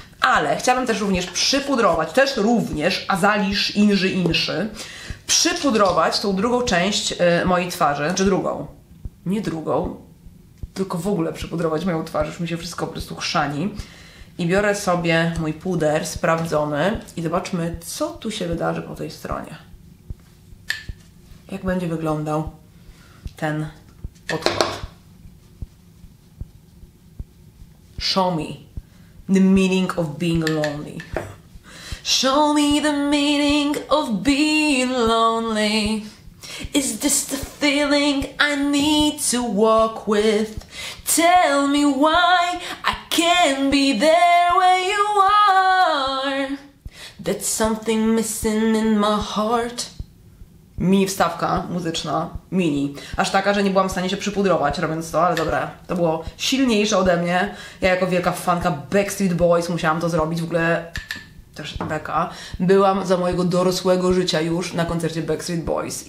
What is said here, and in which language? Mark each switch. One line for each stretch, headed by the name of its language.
Polish: Ale chciałabym też również przypudrować, też również Azalisz Inży Inszy, przypudrować tą drugą część mojej twarzy, znaczy drugą, nie drugą, tylko w ogóle przypudrować moją twarz, już mi się wszystko po prostu chrzani. I biorę sobie mój puder sprawdzony i zobaczmy, co tu się wydarzy po tej stronie. Jak będzie wyglądał ten podkład.
English: Show me the meaning of being lonely. Show me the meaning of being lonely. Is this the feeling I need to walk with? Tell me why I can't be there where you are. That's something missing in my heart.
Polish: Mini wstawka muzyczna, mini. Aż taka, że nie byłam w stanie się przypudrować robiąc to, ale dobra, to było silniejsze ode mnie. Ja jako wielka fanka Backstreet Boys musiałam to zrobić, w ogóle... też Beka, byłam za mojego dorosłego życia już na koncercie Backstreet Boys.